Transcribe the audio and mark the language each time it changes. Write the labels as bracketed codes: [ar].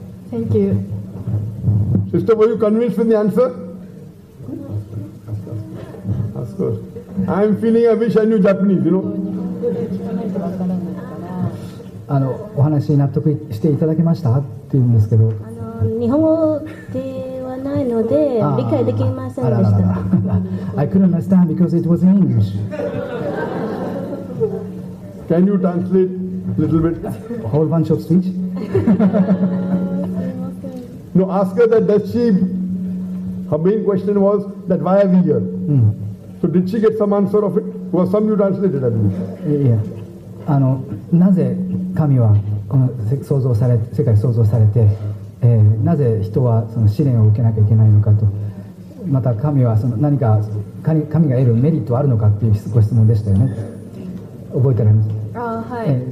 [en] Thank you. Sister, were you convinced with the answer? Of course. I am feeling I wish I knew Japanese, you know. [ja] お話に納得していただけましたっていうんですけど。日本語で。 [en] I couldn't understand because it was in English. Can you translate a little bit? A whole bunch of speech? No, ask her that does she... Her main question was that why are we here? Mm. So did she get some answer of it? Well, some you translated, I believe. Yeah. [ja] なぜ神はこの世界創造され、世界創造されて、なぜ人はその試練を受けなきゃいけないのかと、また神はその何か神が得るメリットはあるのかというご質問でしたよね。覚えてられますか。はい。